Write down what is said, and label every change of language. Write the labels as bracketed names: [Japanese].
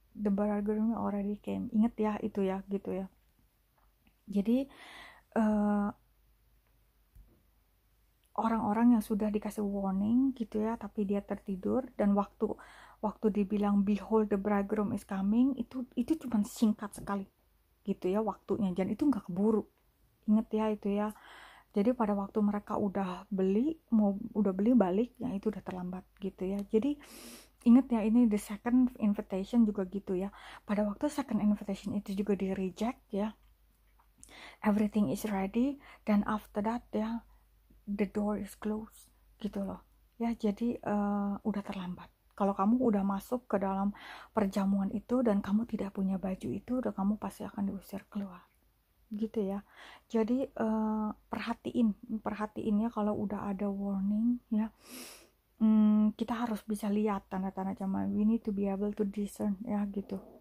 [English] The bridegroom already came. [Indonesian] Ingat ya itu ya gitu ya. Jadi orang-orang yang sudah dikasih warning gitu ya, tapi dia tertidur, dan waktu dibilang [English] behold the bridegroom is coming, [Indonesian] itu cuma singkat sekali gitu ya waktunya, dan itu nggak keburu. Ingat ya itu ya. Jadi pada waktu mereka udah beli balik, ya itu udah terlambat gitu ya. Jadi ingat ya, ini [English] the second invitation [Indonesian] juga gitu ya. Pada waktu second invitation itu juga di reject ya, [English] everything is ready, dan after that ya the door is closed [Indonesian] gitu loh ya. Jadi udah terlambat. Kalau kamu udah masuk ke dalam perjamuan itu dan kamu tidak punya baju itu, udah kamu pasti akan diusir keluar gitu ya. Jadi perhatiin, perhatiin ya kalau udah ada warning ya. Kita harus bisa lihat tanda-tanda zaman. [English] We need to be able to discern [Indonesian] ya gitu.